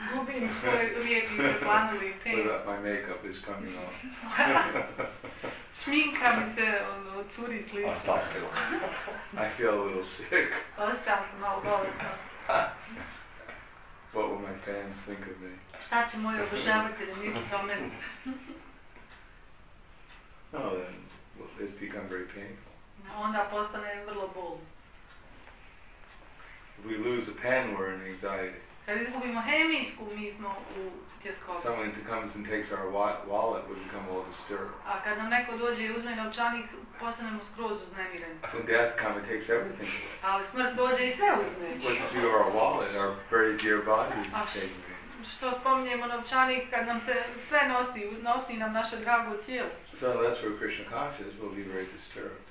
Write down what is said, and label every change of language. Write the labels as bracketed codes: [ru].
[bs] Gubim svoje lijepi planuli tan. [en] But my makeup is coming off. [bs] Šminka mi se ono curi s lica. [en] I feel a little sick. [bs] Osjećam se malo bolesno. [en] What will my fans think of me? [bs] Šta će moji obožavatelji misliti o meni? [en] No, then it become very painful. [bs] Onda postane vrlo bol. [en] If we lose a pen, we're in anxiety. [bs] Kad izgubimo hemijsku, mi smo u tjeskobi. [en] Someone that comes and takes our wallet, we become all disturbed. [bs] A kad nam neko dođe i uzme novčanik, postanemo skroz uznemireni. [en] When death comes, it takes everything away. [bs] Ali smrt dođe i sve uzme. [en] Once you have our wallet, our very dear body is taken away. [bs] Što spominjemo novčanik kad nam se sve nosi nam naše drago tijelo. [en] So that's where Krishna conscious will be very disturbed.